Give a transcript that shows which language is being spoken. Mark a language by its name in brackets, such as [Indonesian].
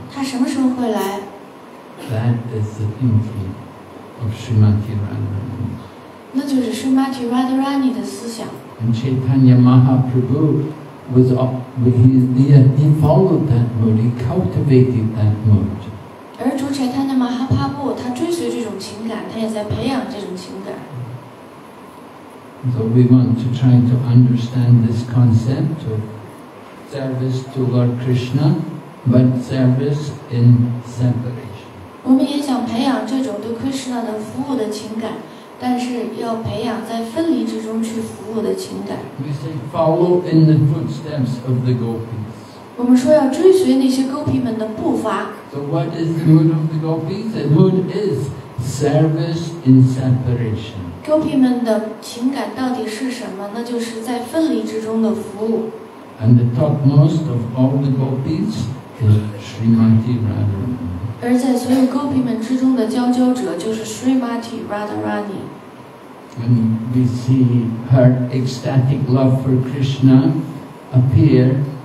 [Chinese] 他什么时候会来？ [English] That is the thinking of Srimati Radharani. [Chinese] 那就是 Srimati Radharani 的思想。 [English] And Chaitanya Mahaprabhu was he followed that mood, he cultivated that mood. [Chinese] 而主柴坦的马哈帕布，他追随这种情感，他也在培养这种情感。 [English] So we want to try to understand this concept of service to Lord Krishna, but service in separation. [Chinese] 我们也想培养这种对 Krishna 的服务的情感，但是要培养在分离之中去服务的情感。 [English] We say follow in the footsteps of the gopis. [Chinese] 我们说要追随那些 Gopi 们的步伐。 [English] So what is the mood of the Gopis? The mood is service in separation. [Chinese] Gopi 们的情感到底是什么？那就是在分离之中的服务。 [English] And the topmost of all the Gopis is Srimati Radharani. [Chinese] 而在所有 Gopi 们之中的佼佼者就是 Srimati Radharani. [English] And we see her ecstatic love for Krishna appear.